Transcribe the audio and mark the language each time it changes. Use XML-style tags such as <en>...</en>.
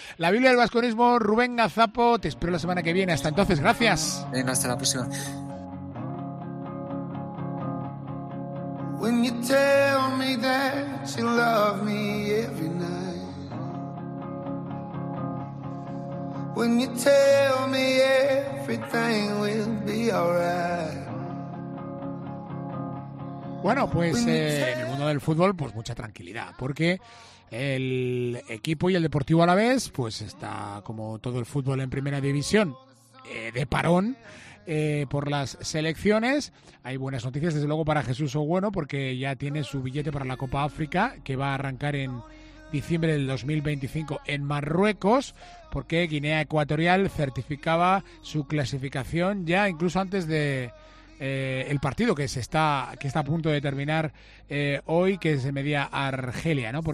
<es>La Biblia del Baskonismo, Rubén Gazapo, te espero la semana que viene. Hasta entonces, gracias. Venga, hasta la próxima.</es> <en>When you tell me that you love me every night, when you tell me everything will be alright.</en> <es>Bueno, pues en el mundo del fútbol, pues mucha tranquilidad, porque el equipo y el Deportivo a la vez, pues está como todo el fútbol en primera división, de parón. Por las selecciones hay buenas noticias desde luego para Jesús Ogbueno, porque ya tiene su billete para la Copa África, que va a arrancar en diciembre del 2025 en Marruecos, porque Guinea Ecuatorial certificaba su clasificación ya incluso antes de el partido que está a punto de terminar hoy, que se medía Argelia, ¿no?</es>